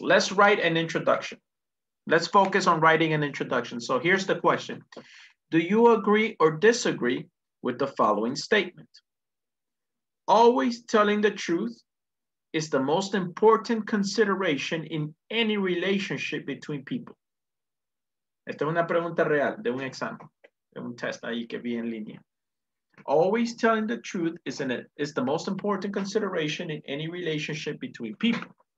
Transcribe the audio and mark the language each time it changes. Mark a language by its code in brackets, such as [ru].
[en] Let's write an introduction. Let's focus on writing an introduction. So here's the question. Do you agree or disagree with the following statement? Always telling the truth is the most important consideration in any relationship between people. [es] Esta es una pregunta real de un examen, de un test ahí que vi en línea. [en] Always telling the truth is the most important consideration in any relationship between people.